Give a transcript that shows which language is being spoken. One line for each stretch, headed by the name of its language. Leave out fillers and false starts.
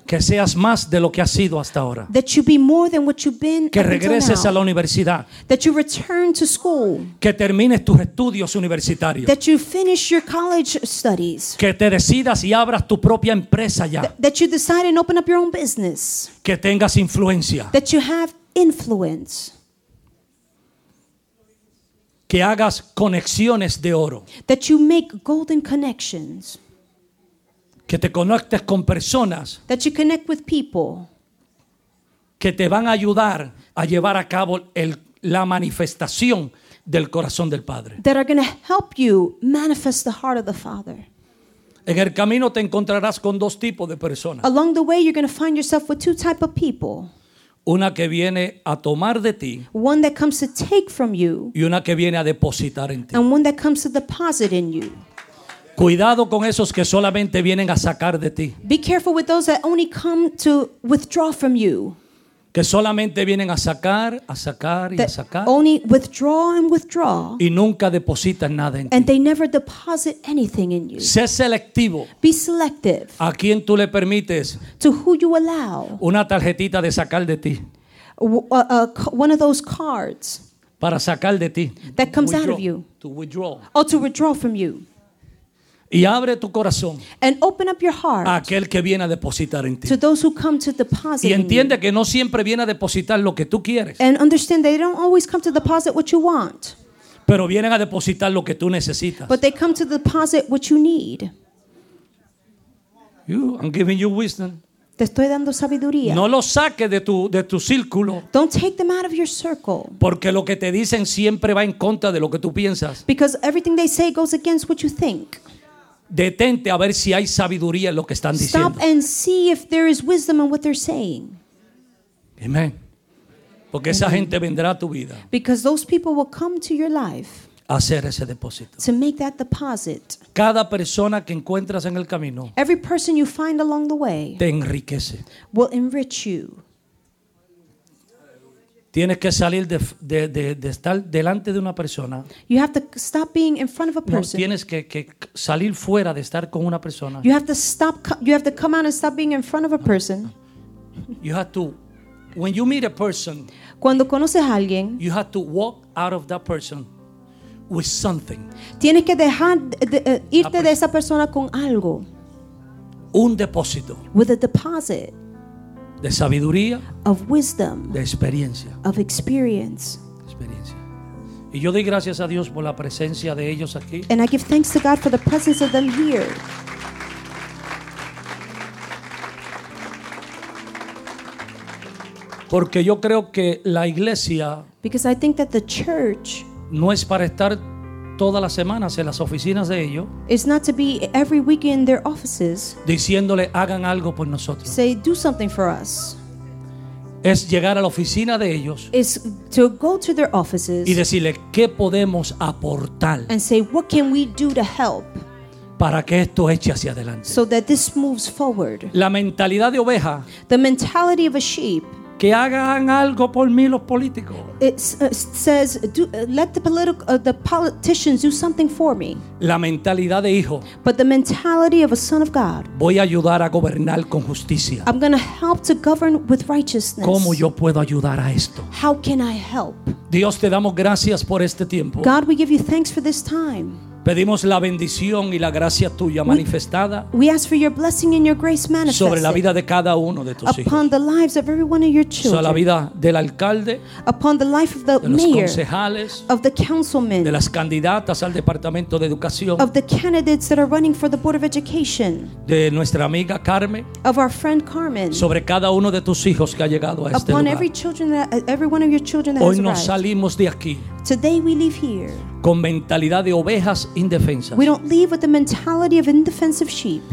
Spanish: Que seas más de lo que has sido hasta ahora.
English: That you be more than what you've been.
Spanish: Que regreses
English: until now.
Spanish: A la universidad.
English: That you return to school.
Spanish: Que termines tus estudios universitarios.
English: That you finish your college studies.
Spanish: Que te decidas y abras tu propia empresa ya.
English: That you decide and open up your own business.
Spanish: Que tengas influencia.
English: That you have influence.
Spanish: Que hagas conexiones de oro.
English: That you make golden connections.
Spanish: Que te conectes con personas.
English: That you connect with people.
Spanish: Que te van a ayudar a llevar a cabo la manifestación del corazón del Padre.
English: That are going to help you manifest the heart of the Father.
Spanish: En el camino te encontrarás con dos tipos de personas.
English: Along the way you're going to find yourself with two type of people.
Spanish: Una que viene a tomar de ti.
English: One that comes to take from you.
Spanish: Y una que viene a depositar en ti.
English: And one that comes to deposit in you.
Spanish: Cuidado con esos que solamente vienen a sacar de ti.
English: Be careful with those that only come to withdraw from you.
Spanish: Que solamente vienen a sacar y
English: that
Spanish: a sacar.
English: Only withdraw and withdraw.
Spanish: Y nunca depositan nada en
English: and
Spanish: ti.
English: And they never deposit anything in you.
Spanish: Sé selectivo.
English: Be selective.
Spanish: A quien tú le permites.
English: To who you allow.
Spanish: Una tarjetita de sacar de ti.
English: One of those cards.
Spanish: Para sacar de ti.
English: That comes out of you. To withdraw. Or to withdraw from you.
Spanish: Y abre tu corazón.
English: And open up your heart.
Spanish: A aquel que viene a depositar en ti.
English: To those who come to deposit.
Spanish: Y entiende que no siempre viene a depositar lo que tú quieres.
English: And understand they don't always come to deposit what you want.
Spanish: Pero vienen a depositar lo que tú necesitas.
English: But they come to deposit what you need. I'm giving you wisdom.
Spanish: Te estoy dando sabiduría. No los saques de tu círculo.
English: Don't take them out of your circle.
Spanish: Porque lo que te dicen siempre va en contra de lo que tú piensas.
English: Because everything they say goes against what you think.
Spanish: Detente a ver si hay sabiduría en lo que están diciendo.
English: Stop and see if there is wisdom in what they're saying.
Spanish: Amen. Porque Amen. Esa gente vendrá a tu vida.
English: Because those people will come to your life.
Spanish: A hacer ese depósito.
English: To make that deposit.
Spanish: Cada persona que encuentras en el camino.
English: Every person you find along the way.
Spanish: Te enriquece.
English: Will enrich you.
Spanish: Tienes que salir de estar delante de una persona.
English: You have to stop being in front of a person.
Spanish: No, tienes que salir fuera de estar con una persona.
English: You have to stop. You have to come out and stop being in front of a person. You have to, when you meet a person.
Spanish: Cuando conoces a alguien.
English: You have to walk out of that person with something.
Spanish: Tienes que dejar irte de esa persona con algo. Un depósito.
English: With a deposit.
Spanish: De sabiduría.
English: Of wisdom.
Spanish: De experiencia.
English: Of experience.
Spanish: Experiencia. Y yo doy gracias a Dios por la presencia de ellos aquí.
English: And I give thanks to God for the presence of them here.
Spanish: Porque yo creo que la iglesia.
English: Because I think that the church.
Spanish: No es para estar todas las semanas en las oficinas de ellos.
English: It's not to be every week in their offices.
Spanish: Diciéndole hagan algo por nosotros.
English: Say do something for us.
Spanish: Es llegar a la oficina de ellos.
English: Is to go to their offices.
Spanish: Y decirle qué podemos aportar.
English: And say what can we do to help.
Spanish: Para que esto eche hacia adelante.
English: So that this moves forward.
Spanish: La mentalidad de oveja.
English: The mentality of a sheep.
Spanish: Que hagan algo por mí los políticos.
English: It says, let the politicians do something for me.
Spanish: La mentalidad de hijo.
English: But the mentality of a son of God.
Spanish: Voy a ayudar a gobernar con justicia.
English: I'm going to help to govern with righteousness.
Spanish: ¿Cómo yo puedo ayudar a esto?
English: How can I help?
Spanish: Dios, te damos gracias por este tiempo.
English: God, we give you thanks for this time.
Spanish: Pedimos la bendición y la gracia tuya manifestada sobre la vida de cada uno de tus hijos, sobre la vida del alcalde,
English: upon the life of the
Spanish: de los
English: mayor,
Spanish: concejales,
English: of the councilmen,
Spanish: de las candidatas al Departamento de Educación,
English: of the candidates that are running for the Board of Education,
Spanish: de nuestra amiga Carmen,
English: of our friend Carmen,
Spanish: sobre cada uno de tus hijos que ha llegado a este
English: upon
Spanish: lugar.
English: Every children that, every one of your children that
Spanish: hoy
English: has
Spanish: nos
English: arrived.
Spanish: Salimos de aquí.
English: Today we leave here.
Spanish: Con mentalidad de ovejas indefensas.
English: We don't leave with the mentality of indefensive sheep.